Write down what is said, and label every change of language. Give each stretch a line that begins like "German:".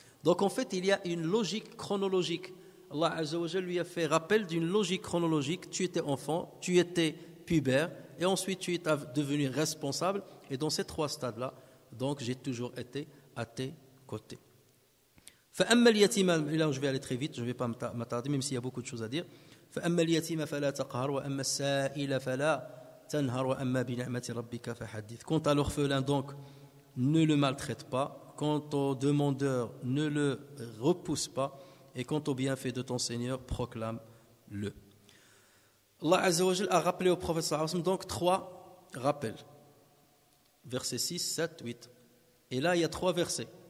French: Donc en fait, il y a une logique chronologique. Allah Azza wa Jalla lui a fait rappel d'une logique chronologique. Tu étais enfant, tu étais pubère. Et ensuite, tu es devenu responsable. Et dans ces trois stades-là, donc, j'ai toujours été à tes côtés.
Arabic: فَأَمَّا الْيَتِيمَ
French: Là, je vais aller très vite, je ne vais pas m'attarder, même s'il y a beaucoup de choses à dire.
Arabic: فَأَمَّا الْيَتِيمَ فَلَا تَقْهَرْ وَأَمَّا السَّائِلَ فَلَا تَنْهَرْ وَأَمَّا بِنِعْمَةِ رَبِّكَ فَحَدِّثْ
French: Quant à l'orphelin, donc, ne le maltraite pas. Quant au demandeur, ne le repousse pas. Et quant au bienfait de ton Seigneur, proclame-le. Allah Azza wa Jalla a rappelé au prophète sallallahu alayhi wa sallam donc trois rappels. Verset 6, 7, 8. Et là, il y a trois versets.